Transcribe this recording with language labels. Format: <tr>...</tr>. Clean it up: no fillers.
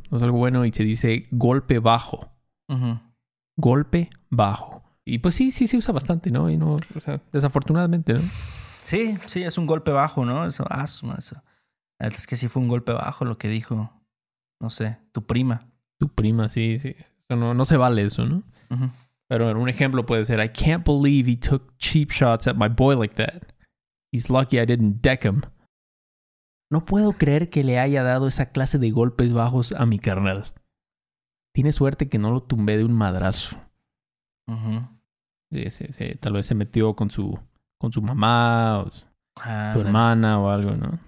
<es>No es algo bueno y se dice golpe bajo. Golpe bajo. Y pues sí, se usa bastante, ¿no? Y no, o sea, desafortunadamente, ¿no? Sí, es un golpe bajo, ¿no? Eso. Es que sí fue un golpe bajo lo que dijo, no sé, tu prima. Tu prima, sí. No se vale eso, ¿no? Pero en un ejemplo puede ser,</es> <en>I can't believe he took cheap shots at my boy like that. He's lucky I didn't deck him.</en> <es>No puedo creer que le haya dado esa clase de golpes bajos a mi carnal. Tiene suerte que no lo tumbé de un madrazo. Sí. Tal vez se metió con su mamá o su hermana o algo, ¿no?</es>